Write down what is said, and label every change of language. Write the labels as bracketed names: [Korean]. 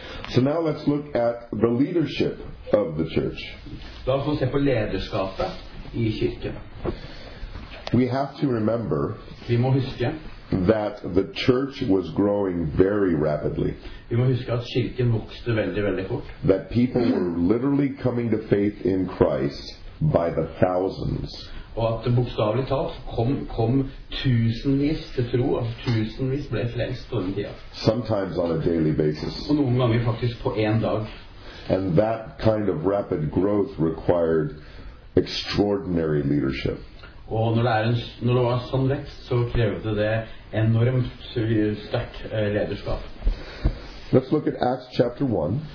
[English] So now let's look at the leadership of the church. We have to remember that the church was growing very rapidly. That people were literally coming to faith in Christ by the thousands. [Norwegian] Og at bokstavelig talt kom tusenvis til tro, at tusenvis ble frelst på den tida. [English] Sometimes on a daily basis. [Norwegian] Og noen ganger faktisk på en dag. [English] And that kind of rapid growth required extraordinary leadership. [Norwegian] Og når det var sånn vekst, så krevde det enormt sterkt lederskap. [English] Let's look at Acts chapter 1.